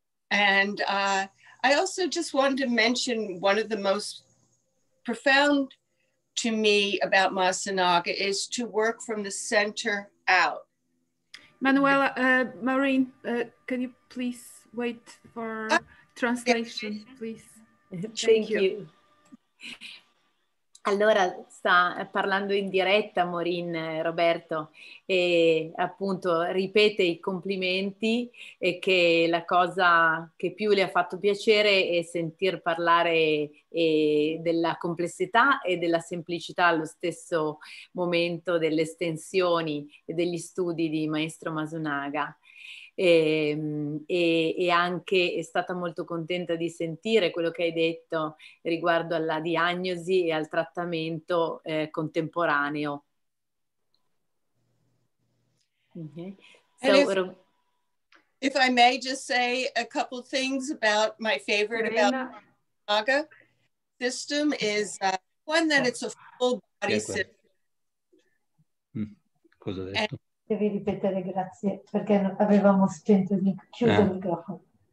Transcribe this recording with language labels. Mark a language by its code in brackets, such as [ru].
[en] And I also just wanted to mention one of the most profound to me about Masanaga is to work from the center out. Manuela, Maureen, can you please wait for translation, please? Thank you. [it] Allora, sta parlando in diretta Maureen Roberto e appunto ripete i complimenti e che la cosa che più le ha fatto piacere è sentir parlare della complessità e della semplicità allo stesso momento delle estensioni e degli studi di Maestro Masanaga. E anche è stata molto contenta di sentire quello che hai detto riguardo alla diagnosi e al trattamento contemporaneo. [en] Okay. So, if I may just say a couple things about my favorite about the Masanaga system is one that it's a full body system. [it] Cosa hai detto? Devi ripetere, grazie, perché avevamo spento di chiudere il microfono.